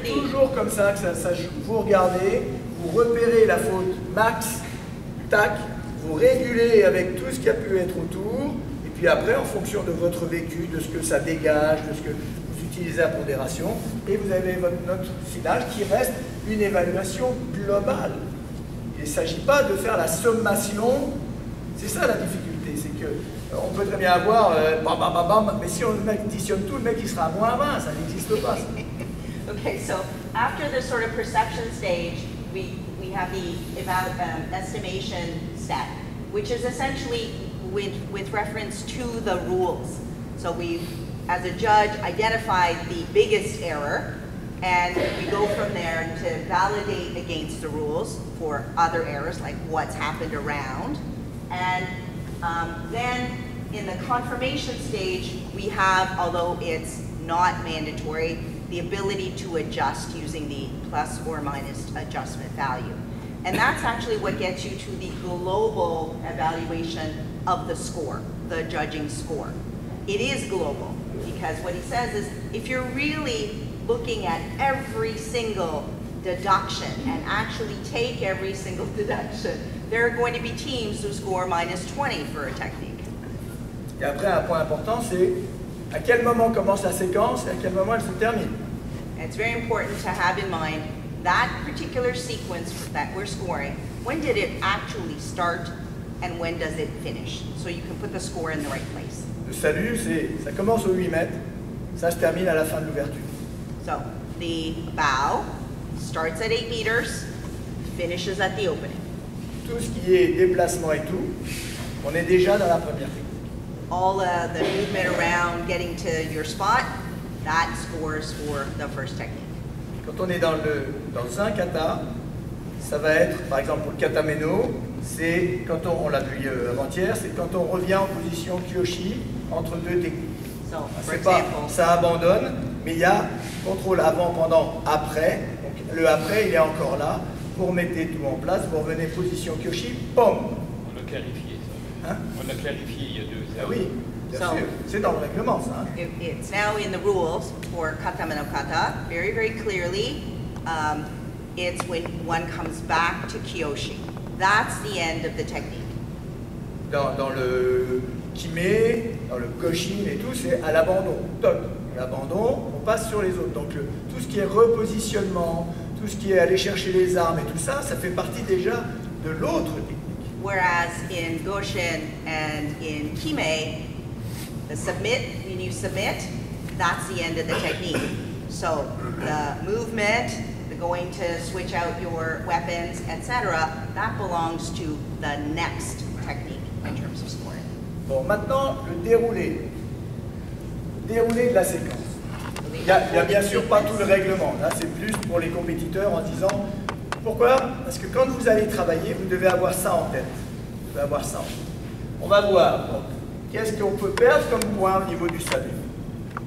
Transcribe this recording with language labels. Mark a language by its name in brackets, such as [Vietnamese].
[French] c'est toujours comme ça que ça joue. Vous regardez, vous repérez la faute max, tac, vous régulez avec tout ce qui a pu être autour, et puis après, en fonction de votre vécu, de ce que ça dégage, de ce que vous utilisez la pondération, et vous avez votre note finale qui reste une évaluation globale. Il ne s'agit pas de faire la sommation, c'est ça la difficulté, c'est qu'on peut très bien avoir bam bam bam bam, mais si on additionne tout, le mec il sera à -20, ça n'existe pas. [English] Okay, so after the sort of perception stage, we have the estimation step, which is essentially with reference to the rules. So we've, as a judge, identified the biggest error, and we go from there to validate against the rules for other errors, like what's happened around. And then in the confirmation stage, we have, although it's not mandatory, the ability to adjust using the plus or minus adjustment value. And that's actually what gets you to the global evaluation of the score, the judging score. It is global, because what he says is, if you're really looking at every single deduction and actually take every single deduction, there are going to be teams who score -20 for a technique. [French] Et après, un point important, c'est à quel moment commence la séquence et à quel moment elle se termine. [English] It's very important to have in mind that particular sequence that we're scoring. When did it actually start and when does it finish? So you can put the score in the right place. [French] Le salut, c'est ça commence aux 8 mètres, ça se termine à la fin de l'ouverture. [English] So, the bow starts at 8 meters, finishes at the opening. [French] Tout ce qui est déplacement et tout, on est déjà dans la première ligne. [English] All the movement around getting to your spot, that scores for the first technique. [French] Quand on est dans le dans un kata, ça va être, par exemple, pour le kata meno, c'est quand on l'a vu avant-hier, c'est quand on revient en position kyoshi entre deux techniques. C'est pas, ça abandonne, mais il y a contrôle avant, pendant, après. Donc, le après, il est encore là. Vous remettez tout en place, vous revenez position kyoshi, boom. On a clarifié ça. Hein? On a clarifié il y a deux heures. Oui, bien sûr. C'est dans le règlement, ça. [English] It's now in the rules for kata menokata, very, very clearly. It's when one comes back to kyoshi. That's the end of the technique. [French] Dans le kime, dans le koshin et tout, c'est à l'abandon. Top. L'abandon, on passe sur les autres. Donc tout ce qui est repositionnement, tout ce qui est aller chercher les armes et tout ça, ça fait partie déjà de l'autre technique. [English] Whereas in goshin and in kime, the submit, when you submit, that's the end of the technique. So the movement, going to switch out your weapons, etc., that belongs to the next technique in terms of scoring. [French] Bon, maintenant, le déroulé. Déroulé de la séquence. Il n'y a bien sûr pas tout le règlement. Là, c'est plus pour les compétiteurs en disant pourquoi ? Parce que quand vous allez travailler, vous devez avoir ça en tête. Vous devez avoir ça en tête. On va voir donc, qu'est-ce qu'on peut perdre comme point au niveau du salut ?